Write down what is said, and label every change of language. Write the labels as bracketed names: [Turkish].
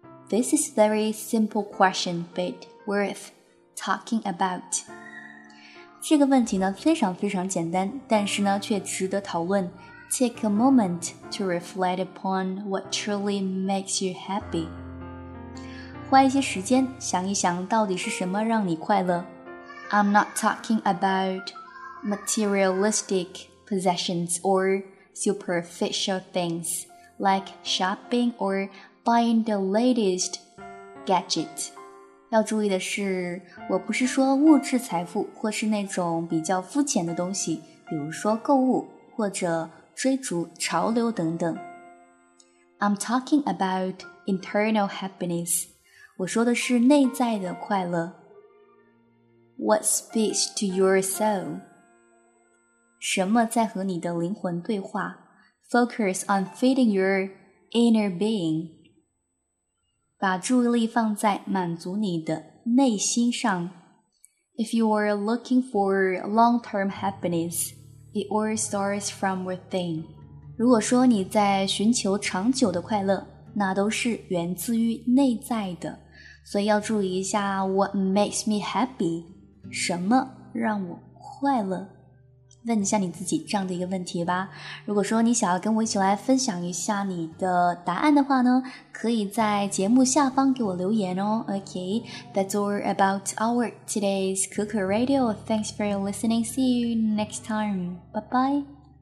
[English] This is a very simple question, but worth talking about. [Chinese] 这个问题呢非常非常简单，但是呢却值得讨论。 [English] Take a moment to reflect upon what truly makes you happy. [Chinese] 花一些时间想一想到底是什么让你快乐。 [English] I'm not talking about materialistic possessions or superficial things like shopping or buying the latest gadget. [Chinese] 要注意的是，我不是说物质财富或是那种比较肤浅的东西，比如说购物或者追逐潮流等等。 [English] I'm talking about internal happiness. [Chinese] 我说的是内在的快乐。 [English] What speaks to your soul? [Chinese] 什么在和你的灵魂对话？ [English] Focus on feeding your inner being. [Chinese] 把注意力放在满足你的内心上。 [English] If you are looking for long-term happiness, it all starts from within. [Chinese] 如果说你在寻求长久的快乐，那都是源自于内在的。所以要注意一下 [English] what makes me happy, [Chinese] 什么让我快乐。问一下你自己这样的一个问题吧。如果说你想要跟我一起来分享一下你的答案的话呢，可以在节目下方给我留言哦。 [English] Okay, that's all about our today's Kuku Radio. Thanks for listening. See you next time. Bye bye.